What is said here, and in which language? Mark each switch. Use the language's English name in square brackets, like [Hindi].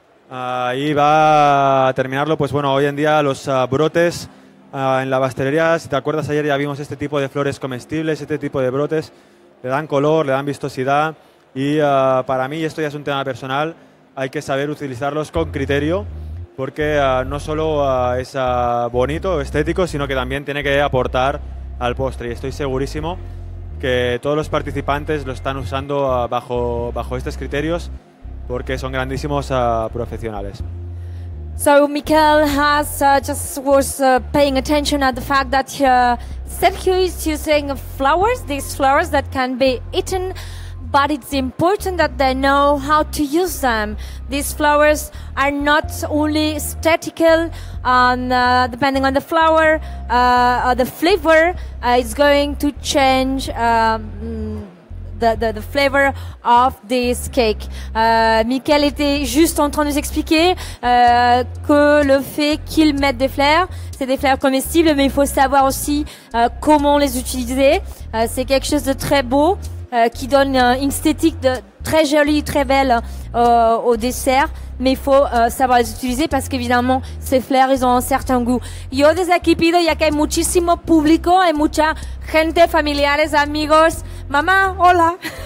[Spanish] Ahí va a terminarlo, pues bueno, hoy en día los brotes en la pastelería, si te acuerdas ayer ya vimos este tipo de flores comestibles, este tipo de brotes, le dan color, le dan vistosidad y para mí, esto ya es un tema personal, hay que saber utilizarlos con criterio porque no solo es bonito, estético, sino que también tiene que aportar al postre y estoy segurísimo que todos los participantes lo están usando bajo estos criterios porque son grandísimos profesionales. [English] So Miquel has was paying attention at the fact that Sergio is using flowers, these flowers that can be eaten, but it's important that they know how to use them. These flowers are not only aesthetical, and depending on the flower, the flavor is going to change the flavor of this cake. [French] Miquel était juste en train de nous expliquer que le fait qu'il mette des fleurs, c'est des fleurs comestibles, mais il faut savoir aussi comment les utiliser. C'est quelque chose de très beau qui donne une esthétique de, très jolie, très belle au dessert. Mais il faut savoir les utiliser parce qu'évidemment, ces fleurs, ils ont un certain goût. [Spanish] Yo desde aquí pido, ya que hay muchísimo público, hay mucha gente, familiares, amigos. Mamá, hola.